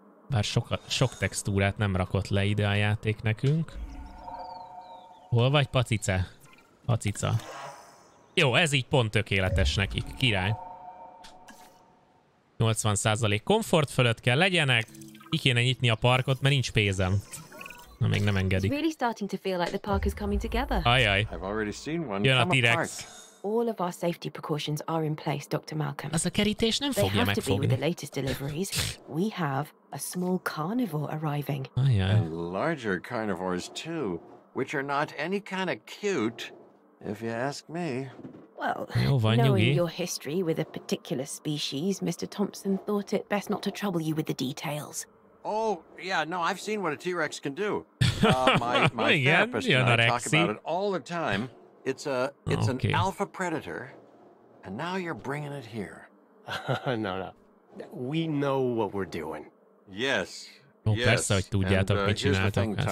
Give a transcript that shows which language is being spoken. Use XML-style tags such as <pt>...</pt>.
<hu>Bár sok textúrát nem rakott le ide a játék nekünk. Hol vagy, pacice? Pacica. Jó, ez így pont tökéletes nekik, király. 80% komfort fölött kell legyenek. Ki kéne nyitni a parkot, mert nincs pénzem. Na, még nem engedik.</hu> <en>Really starting to feel like the park is coming together. Ajaj. I've already seen one.</en> <hu>Jön a T-Rex.</hu> <en>All of our safety precautions are in place, Dr. Malcolm.</en> <hu>Az a kerítés nem fogja megfogni.</hu> <en>They have to be with the latest deliveries. We have a small carnivore arriving. Ajaj. And larger carnivores too, which are not any kind of cute, if you ask me.</en> <hu>Well, jó van,</hu> <en>knowing</en> <hu>nyugi.</hu> <en>Your history with a particular species, Mr. Thompson thought it best not to trouble you with the details. Oh, yeah, no, I've seen what a T-Rex can do. My therapist and I talk about it all the time. It's an alpha predator, and now you're bringing it here. No. We know what we're doing. Yes.</en> <hu>Persze, hogy tudjátok, mit csináltok.</hu>